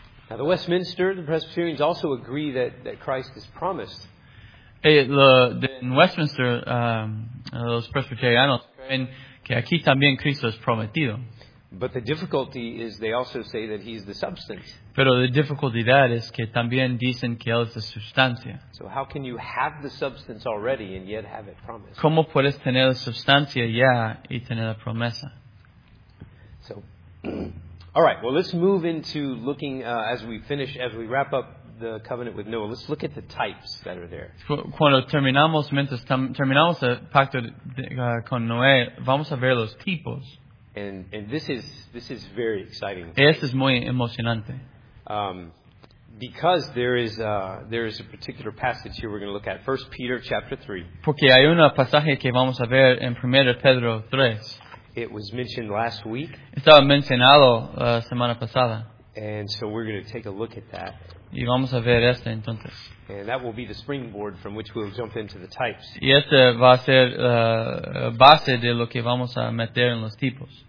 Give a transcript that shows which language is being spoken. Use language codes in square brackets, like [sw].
[en] Now the Westminster, the Presbyterians also agree that Christ is promised. [es] En Westminster, los presbiterianos creen que aquí también Cristo es prometido. [en] But the difficulty is they also say that he's the substance. [es] Pero la dificultad es que también dicen que él es la sustancia. [en] So how can you have the substance already and yet have it promised? [es] ¿Cómo puedes tener la sustancia ya y tener la promesa? [en] So, all right, well, let's move into looking as we wrap up the covenant with Noah. Let's look at the types that are there. [es] Cuando terminamos, mientras terminamos el pacto con Noé, vamos a ver los tipos. [en] And this is very exciting. [es] Esto es muy emocionante. [en] Because there is a particular passage here we're going to look at. 1 Peter chapter 3. [es] Porque hay un pasaje que vamos a ver en 1 Pedro 3. [en] It was mentioned last week. [es] Estaba mencionado la semana pasada. [en] And so we're going to take a look at that. [es] Y vamos a ver esto entonces. [en] And that will be the springboard from which we'll jump into the types. [es] Y este va a ser base de lo que vamos a meter en los tipos.